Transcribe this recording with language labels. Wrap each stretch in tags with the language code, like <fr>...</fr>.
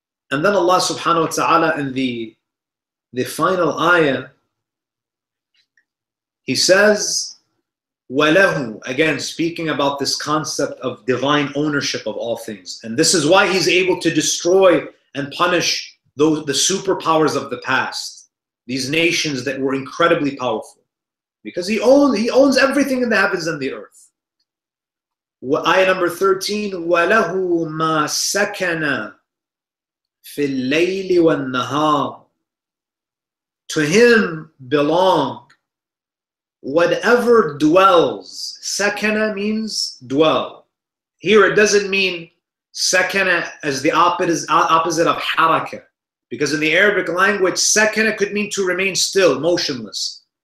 <en>And then Allah subhanahu wa ta'ala in the final ayah, He says, وَلَهُ, again speaking about this concept of divine ownership of all things. And this is why he's able to destroy and punish those, the superpowers of the past, these nations that were incredibly powerful. Because he owns everything in the heavens and the earth. Ayah number 13,</en> <ar>وَلَهُ مَا سَكَنَ فِي اللَّيْلِ وَالنَّهَارِ.</ar> <en>To him belong whatever dwells. Sakana means dwell. Here it doesn't mean Sakana is the opposite of haraka. Because in the Arabic language, sakana could mean to remain still, motionless.</en>